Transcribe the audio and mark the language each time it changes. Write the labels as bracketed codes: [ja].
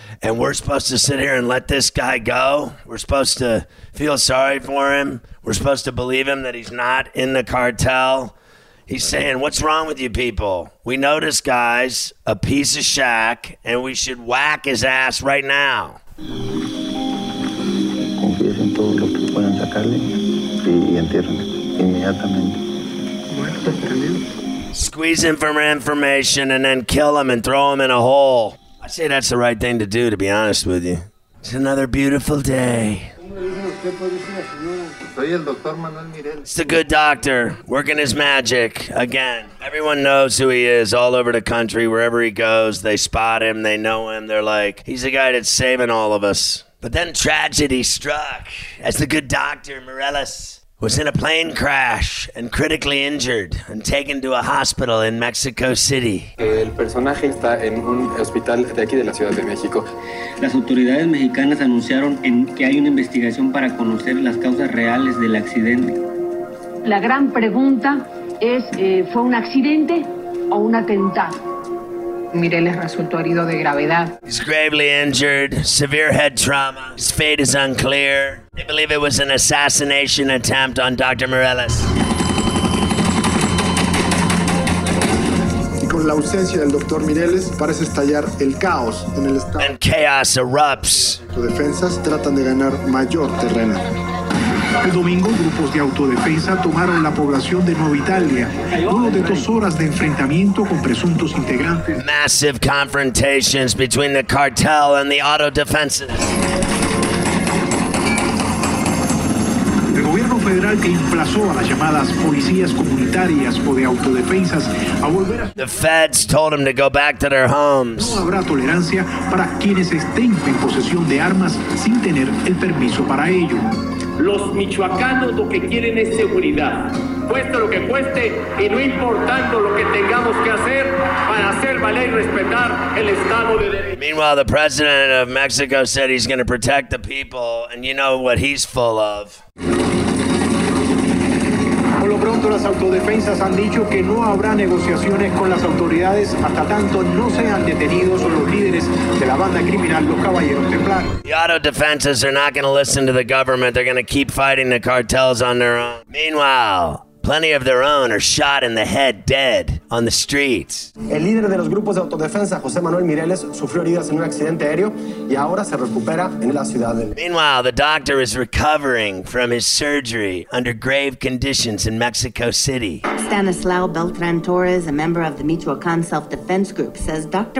[en] And we're supposed to sit here and let this guy go? We're supposed to feel sorry for him? We're supposed to believe him that he's not in the cartel? He's saying, what's wrong with you people? We know this guy's a piece of shack, and we should whack his ass right now. [es] Confiesen todo lo que puedan sacarle y entiérrenlo inmediatamente. [en] Squeeze him for information and then kill him and throw him in a hole. I say that's the right thing to do, to be honest with you. It's another beautiful day. It's the good doctor working his magic again. Everyone knows who he is all over the country. Wherever he goes, they spot him. They know him. They're like, he's the guy that's saving all of us. But then tragedy struck as the good doctor, Morales, was in a plane crash and critically injured and taken to a hospital in Mexico City. [es] El personaje está en un hospital de aquí de la Ciudad de México. Las autoridades mexicanas anunciaron que hay una investigación para conocer las causas reales del accidente. La gran pregunta es, ¿fue un accidente o un atentado? Mireles resultó herido de gravedad. [en] He's gravely injured, severe head trauma. His fate is unclear. They believe it was an assassination attempt on Dr. Morales. [es] Y con la ausencia del Dr. Mireles, parece estallar el caos en el estado. [en] And chaos erupts. [es] Los defensas tratan de ganar mayor terreno. El domingo, grupos de autodefensa tomaron la población de Nueva Italia. Luego de 2 horas de enfrentamiento con presuntos integrantes. [en] Massive confrontations between the cartel and the auto defenses. [es] Que emplazó a las llamadas policías comunitarias o de autodefensas a volver a... [en] The feds told them to go back to their homes. [es] No habrá tolerancia para quienes estén en posesión de armas sin tener el permiso para ello. Los michoacanos lo que quieren es seguridad. Cueste lo que cueste y no importando lo que tengamos que hacer para hacer valer y respetar el Estado de Derecho. [en] Meanwhile, the president of Mexico said he's going to protect the people, and you know what he's full of. [es] Por lo pronto, las autodefensas han dicho que no habrá negociaciones con las autoridades hasta tanto no sean detenidos los líderes de la banda criminal, los Caballeros Templarios. [en] The auto defenses are not going to listen to the government. They're going to keep fighting the cartels on their own. Meanwhile, plenty of their own are shot in the head dead on the streets. [es] El líder de los grupos de autodefensa, José Manuel Mireles, sufrió heridas en un accidente aéreo y ahora se recupera en la ciudad de... [en] Meanwhile, the doctor is recovering from his surgery under grave conditions in Mexico City. Stanislao Beltran Torres, a member of the Michoacan Self-Defense Group, says Dr.